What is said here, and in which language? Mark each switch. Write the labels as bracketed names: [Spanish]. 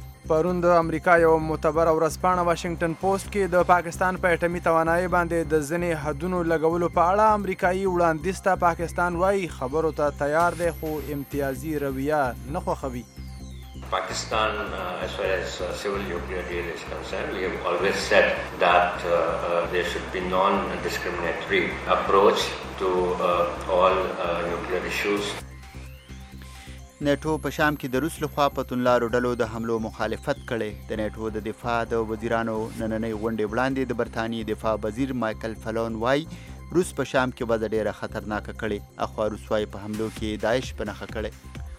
[Pashto] پرون د امریکا یو معتبر ورځپاڼه واشنگتن پوسټ کې د پاکستان په اټومي توانایي باندې د ځینې حدونو لګولو په اړه امریکایي وړاندیز ته پاکستان وایي خبرو ته تیار دی خو امتیازي رویه نه خوښوي. [English] Pakistan, as far as civil nuclear deal is concerned, we have always said that there should be non-discriminatory approach to all nuclear issues. [Pashto] نیټو په شام کې د روس لخوا په تونلارو ډلو د حملو مخالفت کړی. د نیټو د دفاع د وزیرانو نننۍ غونډې وړاندې د برتانیې دفاع وزیر مایکل فلون وای روس په شام کې وضع ډیره خطرناکه کړې اخوا روس وای په حملو کې داعش په نښه کړی.